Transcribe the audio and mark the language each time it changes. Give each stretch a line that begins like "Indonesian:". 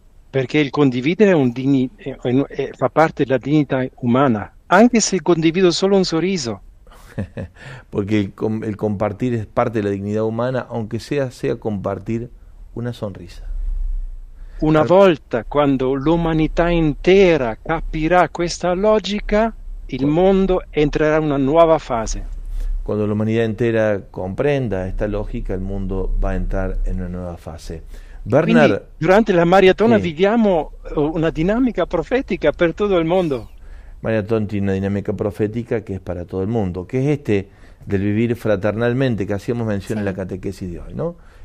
Italian: Perché il condividere fa parte della dignità umana. Anche se condivido solo un sorriso.
Spanish: Porque el compartir es parte de la dignidad humana, aunque sea compartir una sonrisa.
Italian: Una volta, quando l'umanità intera capirà questa logica, il mondo entrerà in una nuova fase.
Spanish: Cuando la humanidad entera comprenda esta lógica, el mundo va a entrar en una nueva fase.
Italian: E quindi, Bernard, durante la maratona, sì. viviamo una dinamica profetica per tutto il mondo.
Spanish: Maratón tiene una dinámica profética que es para todo el mundo, que es este del vivir fraternalmente, que hacíamos mención en la catequesis de hoy, ¿no?